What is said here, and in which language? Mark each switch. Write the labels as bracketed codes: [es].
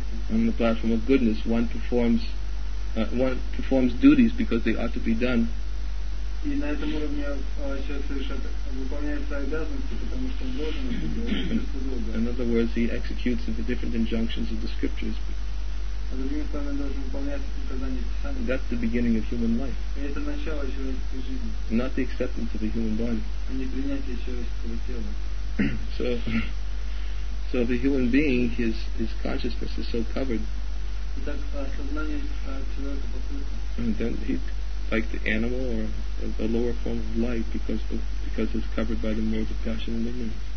[en] On the platform of goodness, one performs duties because they ought to be done. [ru] И на этом уровне человек совершает выполняет свои обязанности, потому что он должен это делать. [en] In other words, he executes the different injunctions of the scriptures. [ru] А другими словами, должен выполнять указания Писания. [en] That's the beginning of human life. [ru] И это начало человеческой жизни. [en] Not the acceptance of the human body. [ru] А не принятие человеческого тела. [en] So the human being, his consciousness is so covered. [ru] Итак, сознание человека покрыто. [en] Like the animal or a lower form of life because it's covered by the modes of passion and ignorance.